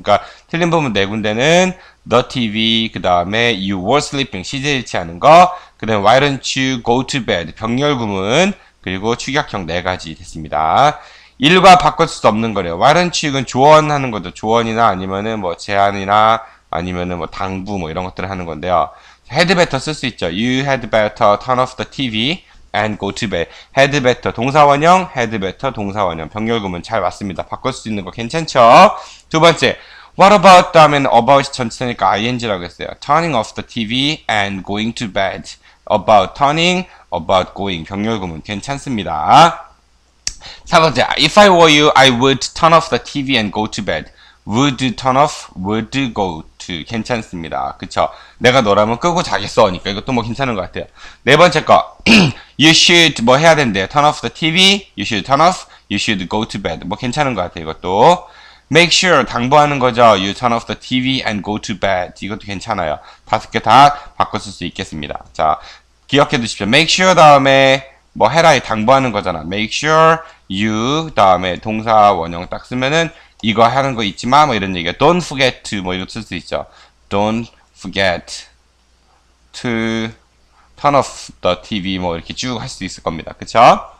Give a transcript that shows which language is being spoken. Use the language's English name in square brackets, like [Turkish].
[Korean] 그러니까 틀린 부분 네 군데는 the TV 그다음에 you were sleeping 시제 일치하는 거 그다음에 [English] why don't you go to bed [Korean] 병렬구문 그리고 축약형 네 가지 됐습니다. 일과 바꿀 수 없는 거래요. [English] Why don't you [Korean] 이건 조언하는 거죠. 조언이나 아니면은 뭐 제안이나 아니면은 뭐 당부 뭐 이런 것들을 하는 건데요. Had better 쓸수 있죠. [English] You had better turn off the TV and go to bed. [Korean] Had better 동사원형, had better 동사원형. 병렬구문 잘 맞습니다. 바꿀 수 있는 거 괜찮죠? 두 번째, [English] What about [Korean] 다음엔 about이 전치사니까 ing라고 했어요. [English] Turning off the TV and going to bed. About turning, about going. [Korean] 병렬구문 괜찮습니다. [English] 4번째, If I were you, I would turn off the TV and go to bed. Would turn off, would go to. [Korean] 괜찮습니다. 그쵸? 내가 너라면 끄고 자겠어. 그러니까 이것도 뭐 괜찮은 것 같아요. 네 번째 거, [English] You should [Korean] 뭐 해야 된대요. [English] Turn off the TV, you should turn off, you should go to bed. [Korean] 뭐 괜찮은 것 같아요. 이것도. Make sure, 당부하는 거죠. [English] You turn off the TV and go to bed. [Korean] 이것도 괜찮아요. 다섯 개다 바꿔 쓸수 있겠습니다. 자, 기억해 두십시오. Make sure 다음에 뭐 해라에 당부하는 거잖아. [English] Make sure you [Korean] 다음에 동사 원형 딱 쓰면은 이거 하는 거 잊지 마. 뭐 이런 얘기야. [English] Don't forget to 뭐 이거 쓸수 있죠. Don't forget to turn off the TV [Korean] 뭐 이렇게 쭉할수 있을 겁니다. 그쵸?